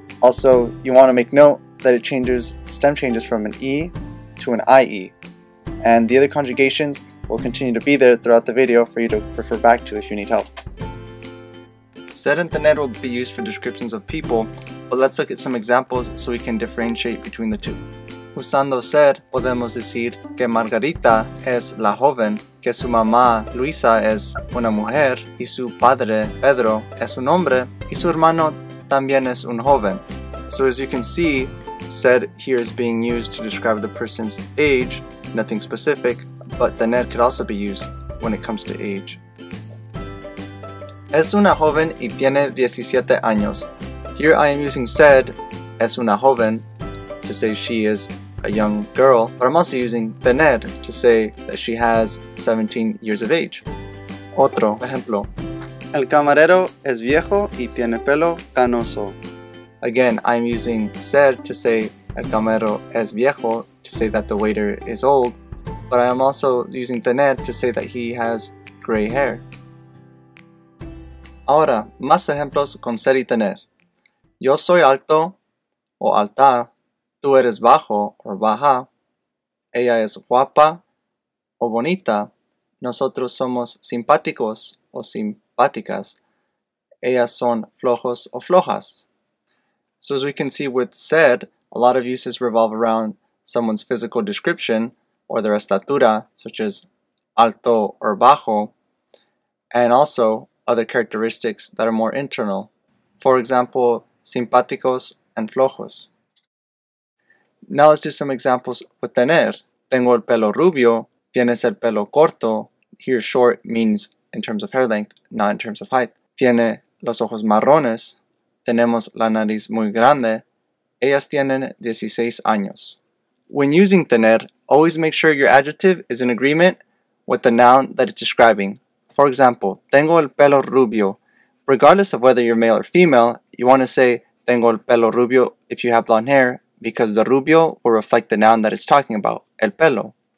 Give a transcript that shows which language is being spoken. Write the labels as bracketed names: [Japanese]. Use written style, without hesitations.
[English] Also, you want to make note that it changes, stem changes from an E to an IE. And the other conjugations will continue to be there throughout the video for you to refer back to if you need help. Ser and tener will be used for descriptions of people, but let's look at some examples so we can differentiate between the two. [Spanish] Usando ser, podemos decir que Margarita es la joven, que su mamá Luisa es una mujer, y su padre Pedro es un hombre, y su hermano también es un joven. [English] So as you can see, ser here is being used to describe the person's age, nothing specific, but tener could also be used when it comes to age. [Spanish] Es una joven y tiene 17 años. [English] Here I am using ser, [Spanish] es una joven, [English] to say she is a young girl, but I'm also using tener to say that she has 17 years of age. [Spanish] Otro ejemplo. El camarero es viejo y tiene pelo canoso. [English] Again, I'm using ser to say [Spanish] el camarero es viejo, [English] to say that the waiter is old, but I am also using tener to say that he has gray hair. [Spanish] Ahora, más ejemplos con ser y tener. Yo soy alto o alta, tú eres bajo o baja, ella es guapa o bonita, nosotros somos simpáticos o simpáticas, ellas son flojos o flojas. [English] So as we can see with ser, a lot of uses revolve around someone's physical description or their estatura, such as alto or bajo, and also other characteristics that are more internal. For example, simpáticos and flojos. Now let's do some examples with tener. [Spanish] Tengo el pelo rubio, tienes el pelo corto. [English] Here short means in terms of hair length, not in terms of height. [Spanish] Tiene los ojos marrones, tenemos la nariz muy grande, ellas tienen 16 años. [English] When using tener, always make sure your adjective is in agreement with the noun that it's describing. For example, [Spanish] tengo el pelo rubio. [English] Regardless of whether you're male or female, you want to say tengo el pelo rubio if you have blonde hair, because the rubio will reflect the noun that it's talking about, el pelo.